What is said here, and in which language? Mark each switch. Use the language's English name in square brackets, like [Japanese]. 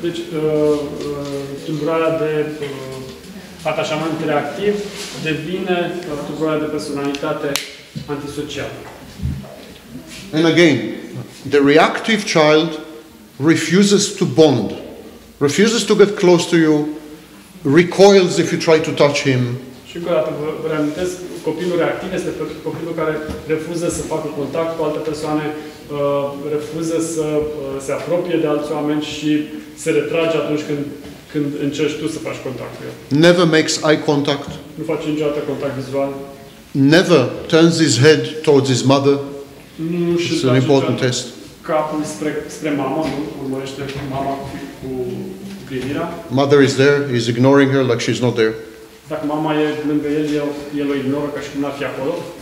[Romanian] Deci, tulburarea de atașament reactiv devine tulburarea de personalitate antisocială. [English] And again, the reactive child refuses to bond, refuses to get close to you, recoils if you try to touch him. [Romanian] Și încă o dată vă reamintesc, copilul reactiv este copilul care refuză să facă contact cu alte persoane, refuză să se apropie de alți oameni și se retrage atunci când încerci tu să faci contact cu el. [English] Never makes eye contact. [Romanian] Nu face niciodată contact vizual. [English] Never turns his head towards his mother. [Romanian] Nu, [English] it's an important test. [Romanian] Capul spre mama, nu? Urmărește mama cu privirea. [English] Mother is there, he's ignoring her like she's not there. [Romanian] Dacă mama e lângă el, el o ignoră ca și cum n-ar fi acolo.